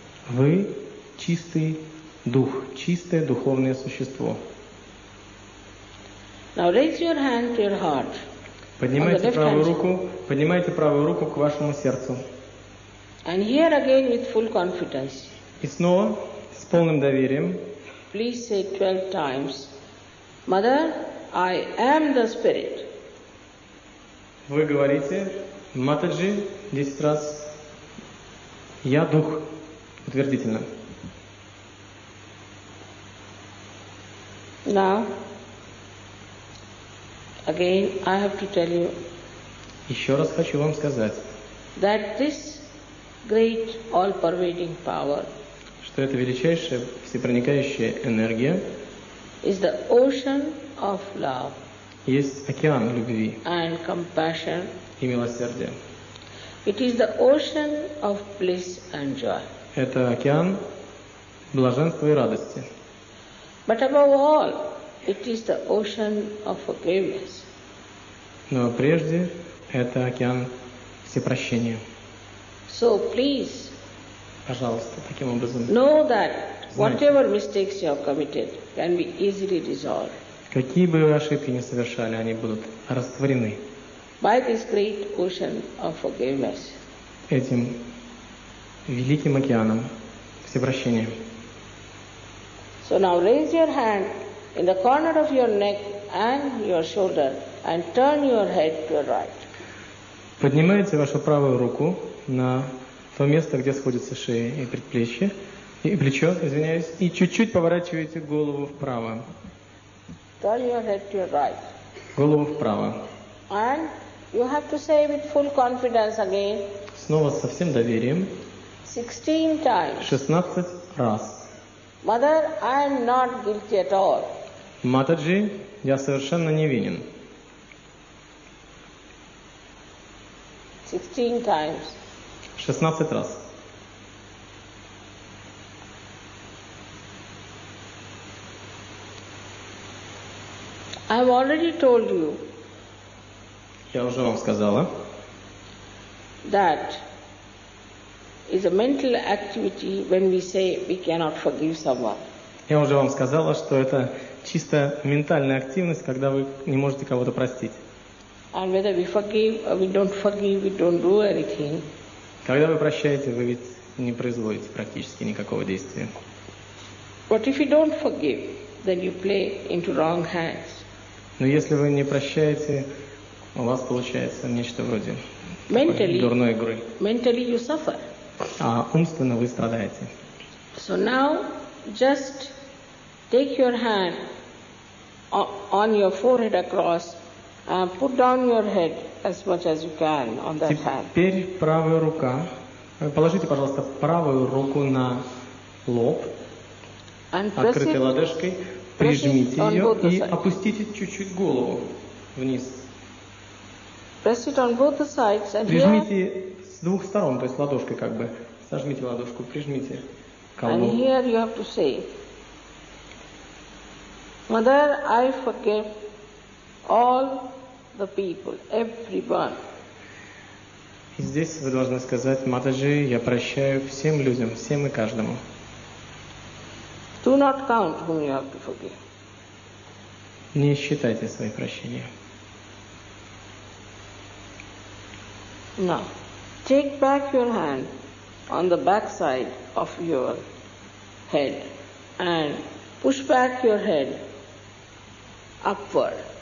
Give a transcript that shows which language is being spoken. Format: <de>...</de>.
<ru>Вы чистый дух, чистое духовное существо.</ru> <en>Now raise your hand to your heart.</en> <ru>Поднимайте правую руку, к вашему сердцу.</ru> <en>And here again with full confidence.</en> <ru>И снова с полным доверием.</ru> <en>Please say 12 times, Mother, I am the Spirit.</en> <ru>Вы говорите, Матаджи, 10 раз, я дух, утвердительно.</ru> <en>Now. Again, I have to tell you.</en> <ru>Еще раз хочу вам сказать.</ru> <en>That this great all-pervading power.</en> <ru>Что эта величайшая всепроникающая энергия.</ru> <en>Is the ocean of love.</en> <ru>Есть океан любви.</ru> <en>And compassion.</en> <ru>И милосердия.</ru> <en>It is the ocean of bliss and joy.</en> <ru>Это океан блаженства и радости.</ru> <en>But above all. It is the ocean of forgiveness.</en> <ru>Но прежде это океан всепрощения.</ru> <en>So please.</en> <ru>Пожалуйста, таким образом.</ru> <en>Know that whatever mistakes you have committed can be easily resolved.</en> <ru>Какие бы вы ошибки ни совершали, они будут растворены.</ru> <en>By this great ocean of forgiveness.</en> <ru>Этим великим океаном всепрощения.</ru> <en>So now raise your hand. In the corner of your neck and your shoulder, and turn your head to your right.</en> <ru>Поднимайте вашу правую руку на то место, где сходятся шея и предплечье, и плечо, и чуть-чуть поворачивайте голову вправо.</ru> <en>Turn your head to your right.</en> <ru>Голову вправо.</ru> <en>And you have to say with full confidence again.</en> <ru>Снова со всем доверием.</ru> <en>16 times.</en> <ru>16 раз.</ru> <en>Mother, I am not guilty at all.</en> <ru>Матаджи, я совершенно невинен.</ru> <en>16 times.</en> <ru>16 раз.</ru> <en>I have already told you.</en> <ru>Я уже вам сказала.</ru> <en>That is a mental activity when we say we cannot forgive someone.</en> <ru>Я уже вам сказала, что это чисто ментальная активность, когда вы не можете кого-то простить. Когда вы прощаете, вы ведь не производите практически никакого действия. Но если вы не прощаете, у вас получается нечто вроде</ru> <en>mentally,</en> <ru>дурной игры.</ru> <en>Mentally you suffer.</en> <ru>А умственно вы страдаете.</ru> <en>So now, just take your hand on your forehead across, and put down your head as much as you can on that hand.</en> <ru>Теперь правая рука. Положите, пожалуйста, правую руку на лоб, открытой ладошкой. Прижмите ее и опустите чуть-чуть голову вниз.</ru> <en>Press it on both the sides and</en> <ru>прижмите с двух сторон, то есть ладошкой как бы. Сожмите ладошку, прижмите к лбу.</ru> <en>And here you have to say, Mother, I forgive all the people, everyone.</en> <ru>И здесь вы должны сказать, Матаджи, я прощаю всем людям, всем и каждому.</ru> <en>Do not count whom you have to forgive.</en> <ru>Не считайте свои прощения.</ru> <en>Now, take back your hand on the back side of your head and push back your head upward.</en>